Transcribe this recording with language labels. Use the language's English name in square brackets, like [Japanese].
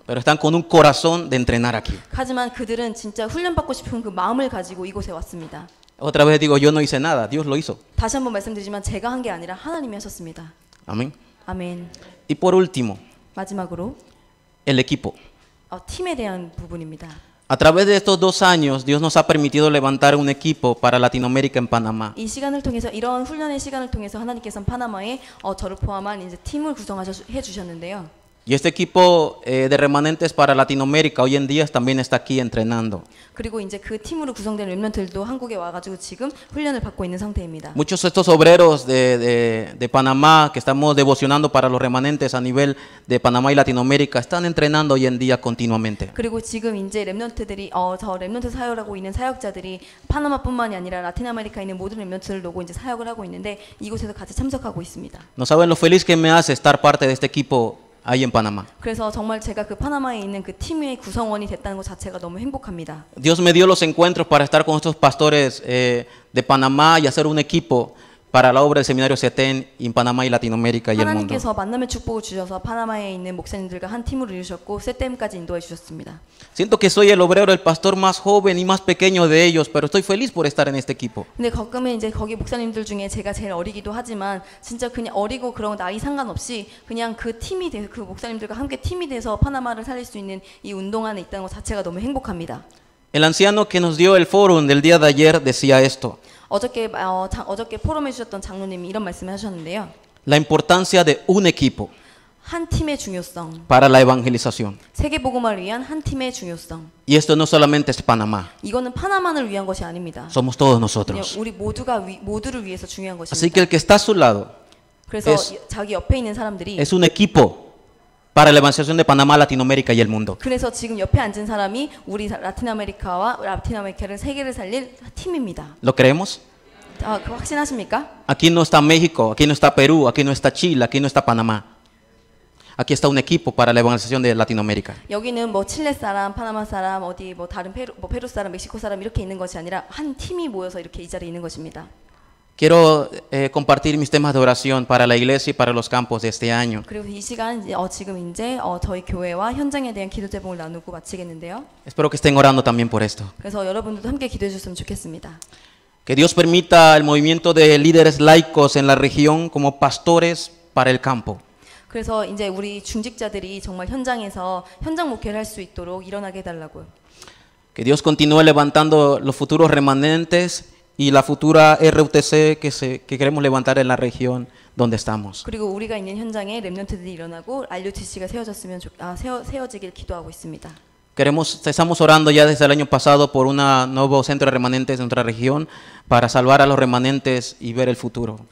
[Spanish] Pero están con un corazón de entrenar aquí. [Korean] 하지만 그들은 진짜 훈련받고 싶은 그 마음을 가지고 이곳에 왔습니다. [Spanish] Otra vez digo, yo no hice nada. Dios lo hizo. [Korean] 다시 한번 말씀드리지만 제가 한 게 아니라 하나님이 하셨습니다. 아멘. 아멘. [Spanish] Y por último. [Korean] 마지막으로. [Spanish] El equipo. [Korean] 팀에 대한 부분입니다. [Spanish] A través de estos dos años, Dios nos ha permitido levantar un equipo para Latinoamérica en Panamá. [Korean] 이 시간을 통해서 이런 훈련의 시간을 통해서 하나님께서 파나마에 저를 포함한 이제 팀을 구성하셔 주셨는데요. [Spanish] Y este equipo de remanentes para Latinoamérica hoy en día también está aquí entrenando. [Korean] 그리고 이제 그 팀으로 구성된 렘넌트들도 한국에 와가지고 지금 훈련을 받고 있는 상태입니다. [Spanish] Muchos de estos obreros de Panamá que estamos devocionando para los remanentes a nivel de Panamá y Latinoamérica están entrenando hoy en día continuamente. [Korean] 그리고 지금 이제 렘넌트들이 저 렘넌트 사역하고 있는 사역자들이 파나마뿐만이 아니라 라틴아메리카에 있는 모든 렘넌트를 놓고 이제 사역을 하고 있는데 이곳에서 같이 참석하고 있습니다. [Spanish] No saben lo feliz que me hace estar parte de este equipo. Ahí en Panamá. [Korean] 그래서 정말 제가 그 파나마에 있는 그 팀의 구성원이 됐다는 것 자체가 너무 행복합니다. [Spanish] Dios me dio los encuentros para estar con estos pastores de Panamá y hacer un equipo para la obra del seminario CETEN en Panamá y Latinoamérica y el mundo. [Korean] 하나님께서 만남의 축복을 주셔서 파나마에 있는 목사님들과 한 팀으로 이루셨고 CETEN까지 인도해 주셨습니다. [Spanish] Siento que soy el obrero, el pastor más joven y más pequeño de ellos, pero estoy feliz por estar en este equipo. [Korean] 근데 가끔은 이제 거기 목사님들 중에 제가 제일 어리기도 하지만 진짜 그냥 어리고 그런 나이 상관없이 그냥 그 팀이 돼서 그 목사님들과 함께 팀이 돼서 파나마를 살릴 수 있는 이 운동 안에 있다는 것 자체가 너무 행복합니다. [Spanish] El anciano que nos dio el forum del día de ayer decía esto. [Korean] 어저께 어저께 포럼해 주셨던 장로님이 이런 말씀을 하셨는데요. [Spanish] La importancia de un equipo. [Korean] 한 팀의 중요성. [Spanish] Para la evangelización. [Korean] 세계 복음화를 위한 한 팀의 중요성. [Spanish] Y esto no solamente es Panamá. [Korean] 이거는 파나마만을 위한 것이 아닙니다. [Spanish] Somos todos nosotros. [Korean] 우리 모두가 모두를 위해서 중요한 것입니다. [Spanish] Así que el que está a su lado. [Korean] 그래서 자기 옆에 있는 사람들이 [Spanish] es un equipo. Para la evangelización de Panamá, Latinoamérica y el mundo. [Korean] 그래서 지금 옆에 앉은 사람이 우리 라틴아메리카와 라틴아메리카를 세계를 살릴 팀입니다. [Spanish] ¿Lo creemos? [Korean] 확신하십니까? [Spanish] Aquí no está México, aquí no está Perú, aquí no está Chile, aquí no está Panamá. Aquí está un equipo para la evangelización de Latinoamérica. [Korean] 여기는 뭐 칠레 사람, 파나마 사람, 어디 뭐 다른 페루, 뭐 페루 사람, 멕시코 사람 이렇게 있는 것이 아니라 한 팀이 모여서 이렇게 이 자리에 있는 것입니다. [Spanish] Quiero compartir mis temas de oración para la iglesia y para los campos de este año. [Korean] 그리고 이 시간 지금 이제 저희 교회와 현장에 대한 기도 제목을 나누고 마치겠는데요. [Spanish] Espero que estén orando también por esto. [Korean] 그래서 여러분들도 함께 기도해 주셨으면 좋겠습니다. [Spanish] Que Dios permita el movimiento de líderes laicos en la región como pastores para el campo. [Korean] 그래서 이제 우리 중직자들이 정말 현장에서 현장 목회를 할 수 있도록 일어나게 해 달라고요. [Spanish] Que Dios continúe levantando los futuros remanentes. Y la futura RUTC que queremos levantar en la región donde estamos. [Korean] 그리고 우리가 있는 현장에 렘넌트들이 일어나고 RUTC가 세워졌으면 세워지길 기도하고 있습니다. [Spanish] Estamos orando ya desde el año pasado por un nuevo centro de remanentes en otra región para salvar a los remanentes y ver el futuro.